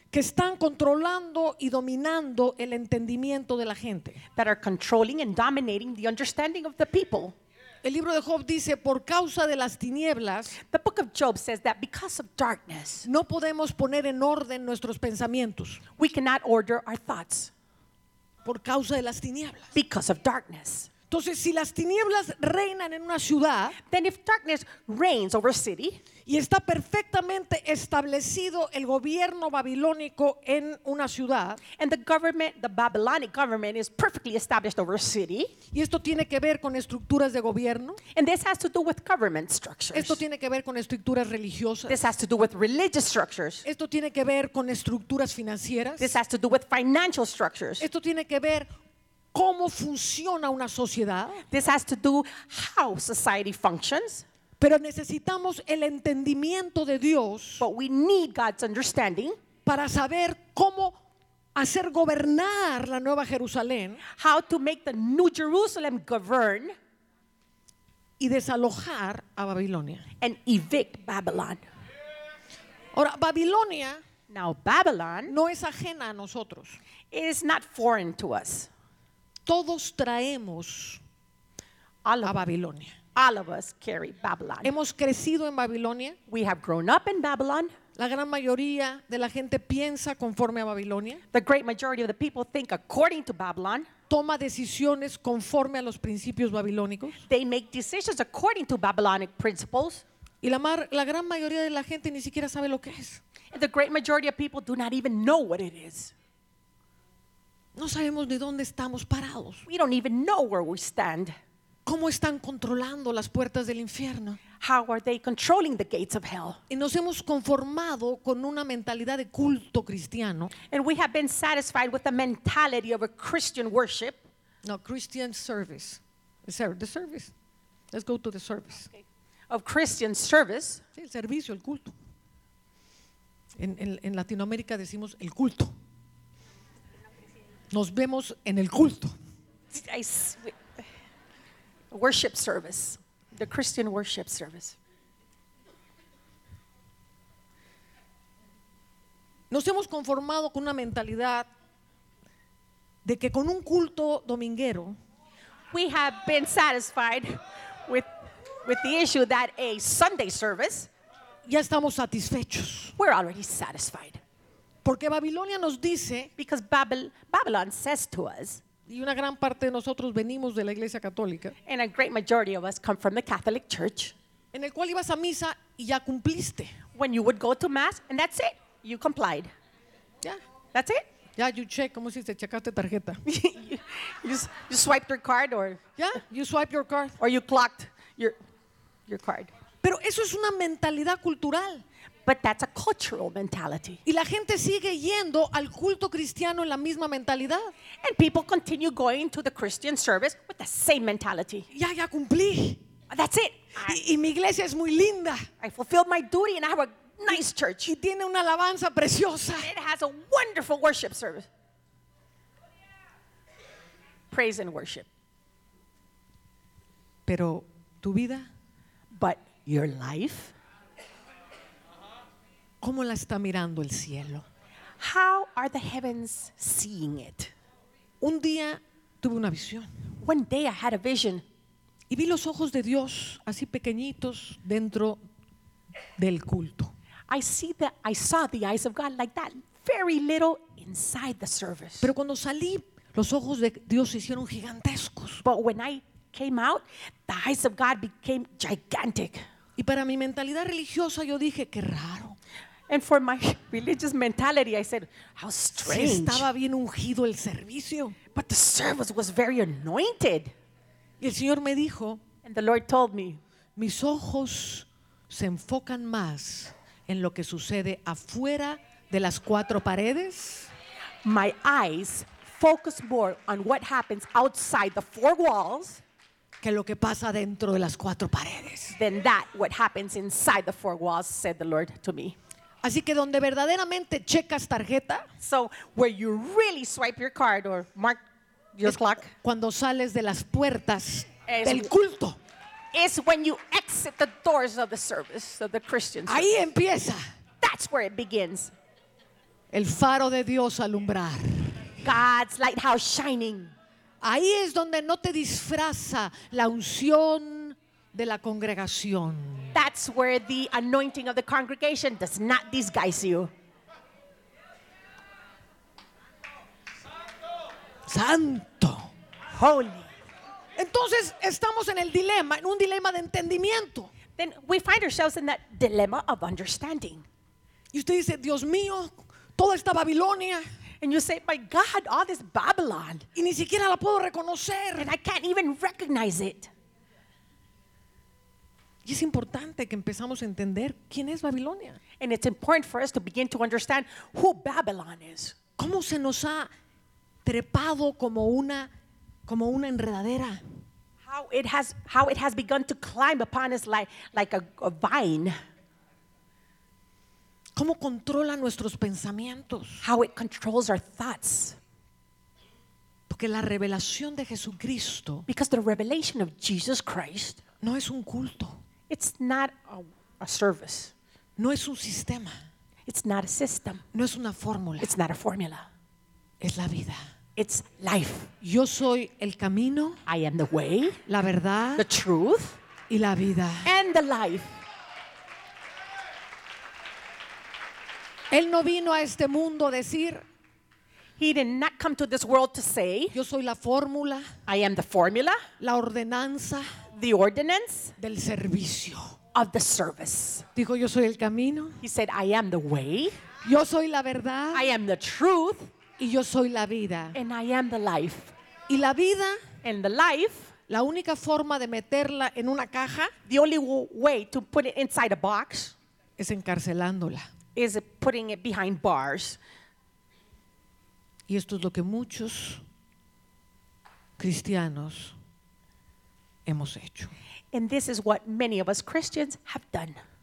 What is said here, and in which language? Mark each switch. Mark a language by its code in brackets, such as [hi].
[es] que están controlando y dominando el entendimiento de la gente, [en] that are controlling and dominating the understanding of the people. [es] El libro de Job dice, por causa de las tinieblas, [en] the book of Job says that because of darkness, [es] no podemos poner en orden nuestros pensamientos, [en] we cannot order our thoughts, [es] por causa de las tinieblas, [en] because of darkness. [es] Entonces, si las tinieblas reinan en una ciudad, [en] then if darkness reigns over a city, [es] y está perfectamente establecido el gobierno babilónico en una ciudad, [en] and the government, the Babylonic government is perfectly established over a city, [es] y esto tiene que ver con estructuras de gobierno, [en] and this has to do with government structures, [es] esto tiene que ver con estructuras religiosas, [en] this has to do with religious structures, [es] esto tiene que ver con estructuras financieras, [en] this has to do with financial structures, [es] esto tiene que ver cómo funciona una sociedad. [en] This has to do how society functions. [es] Pero necesitamos el entendimiento de Dios. [en] But we need God's understanding. [es] Para saber cómo hacer gobernar la nueva Jerusalén. [en] How to make the new Jerusalem govern. [es] Y desalojar a Babilonia. [en] And evict Babylon. [es] Ahora, Babilonia. [en] Now, Babylon. [es] No es ajena a nosotros. [en] It is not foreign to us. [es] Todos traemos [en] all of, [es] a Babilonia. [en] All of us carry Babylon. [es] Hemos crecido en Babilonia. [en] We have grown up in Babylon. [es] La gran mayoría de la gente piensa conforme a Babilonia. [en] The great majority of the people think according to Babylon. [es] Toma decisiones conforme a los principios babilónicos. [en] They make decisions according to Babylonic principles. [es] Y la gran mayoría de la gente ni siquiera sabe lo que es. [en] And the great majority of people do not even know what it is. [es] No sabemos ni dónde estamos parados. [en] We don't even know where we stand. [es] ¿Cómo están controlando las puertas del infierno? [en] How are they controlling the gates of hell? [es] Y nos hemos conformado con una mentalidad de culto cristiano. [en] And we have been satisfied with the mentality of a Christian worship. No, Christian service. The service. Let's go to the service. Okay. Of Christian service. [es] Sí, el servicio, el culto. En Latinoamérica decimos el culto. Nos vemos en el culto. [en] Worship service. The Christian worship service. [es] Nos hemos conformado con una mentalidad de que con un culto dominguero. [en] We have been satisfied with the issue that a Sunday service. [es] Ya estamos satisfechos. [en] We're already satisfied. [es] Porque Babilonia nos dice, [en] because Babylon says to us, [es] Y una gran parte de nosotros venimos de la Iglesia Católica. [en] And a great majority of us come from the Catholic Church. [es] En el cual ibas a misa y ya cumpliste. [en] When you would go to mass and that's it, you complied. Yeah. That's it. Yeah, you check. [es] ¿Cómo si te checaste tarjeta? [en] you swiped your card or. Yeah, you swiped your card. Or you clocked your card. [es] Pero eso es una mentalidad cultural. [en] But that's a cultural mentality. [es] Y la gente sigue yendo al culto cristiano en la misma mentalidad. [en] And people continue going to the Christian service with the same mentality. [es] Ya, ya cumplí. [en] That's it. [es] Y mi iglesia es muy linda. [en] I fulfilled my duty and I have a nice church. [es] Y tiene una alabanza preciosa. [en] It has a wonderful worship service. Praise and worship. [es] Pero tu vida. [en] But your life. [es] ¿Cómo la está mirando el cielo? [en] How are the heavens seeing it? [es] Un día tuve una visión. [en] One day I had a vision. [es] Y vi los ojos de Dios así pequeñitos dentro del culto. [en] I saw the eyes of God like that, very little inside the service. [es] Pero cuando salí, los ojos de Dios se hicieron gigantescos. [en] But when I came out, the eyes of God became gigantic. [es] Y para mi mentalidad religiosa yo dije, qué raro. [en] And for my religious mentality, I said, how strange. [es] Sí, estaba bien ungido el servicio. [en] But the service was very anointed. [es] Y el Señor me dijo, [en] and the Lord told me, [es] mis ojos se enfocan más en lo que sucede afuera de las cuatro paredes. [en] My eyes focus more on what happens outside the four walls [es] que lo que pasa dentro de las cuatro paredes. [en] Than that what happens inside the four walls, said the Lord to me. [es] Así que donde verdaderamente checas tarjeta, [en] so where you really swipe your card or mark your clock, [es] cuando sales de las puertas del culto, [en] is when you exit the doors of the service of the Christian service. [es] Ahí empieza. [en] That's where it begins. [es] El faro de Dios alumbrar. [en] God's lighthouse shining. [es] Ahí es donde no te disfraza la unción de la congregación. [en] That's where the anointing of the congregation does not disguise you. [es] Santo. [en] Holy. [es] Entonces estamos en el dilema, en un dilema de entendimiento. [en] Then we find ourselves in that dilemma of understanding. [es] Y usted dice, Dios mío, toda esta Babilonia. [en] And you say, my God, all this Babylon. [es] Y ni siquiera la puedo reconocer. [en] And I can't even recognize it. [es] Y es importante que empezamos a entender quién es Babilonia. [en] And it's important for us to begin to understand who Babylon is. [es] ¿Cómo se nos ha trepado como una enredadera? [en] How it has begun to climb upon us like a vine. [es] ¿Cómo controla nuestros pensamientos? [en] How it controls our thoughts. [es] Porque la revelación de Jesucristo, [en] because the revelation of Jesus Christ, [es] no es un culto. [en] It's not a service. [es] No es un sistema. [en] It's not a system. [es] No es una fórmula. [en] It's not a formula. [es] Es la vida. [en] It's life. [es] Yo soy el camino. [en] I am the way. [es] La verdad. [en] The truth. [es] Y la vida. [en] And the life. [es] Él no vino a este mundo a decir. [en] He did not come to this world to say. [es] Yo soy la fórmula. [en] I am the formula. [es] La ordenanza. [en] The ordinance. [es] Del servicio. [en] Of the service. [es] Dijo, yo soy el camino. [en] He said, I am the way. [es] Yo soy la verdad. [en] I am the truth. [es] Y yo soy la vida. [en] And I am the life. [es] Y la vida. [en] And the life. [es] La única forma de meterla en una caja. [en] The only way to put it inside a box. [es] Es encarcelándola. [en] Is putting it behind bars. [es] Y esto es lo que muchos cristianos hemos hecho. [en] And this is what many of us Christians have done.